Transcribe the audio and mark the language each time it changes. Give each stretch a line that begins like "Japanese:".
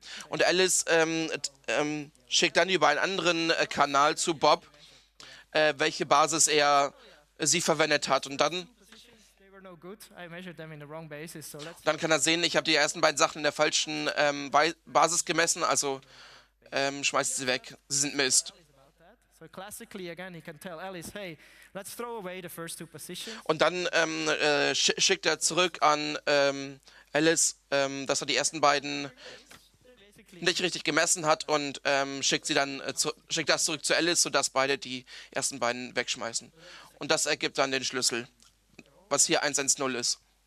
German: Und Alice schickt dann über einen anderen Kanal zu Bob, welche Basis er sie verwendet hat. Und dann kann er sehen, ich habe die ersten beiden Sachen in der falschen Basis gemessen, also schmeißt sie weg, sie sind Mist.
English: So classically again he can tell Alice, hey, let's throw away the first two positions.
German: Und dann schickt er zurück an Alice, dass er die ersten beiden nicht richtig gemessen hat und schickt das zurück zu Alice, sodass beide die ersten beiden wegschmeißen. Und das ergibt dann den Schlüssel, was hier 110 ist.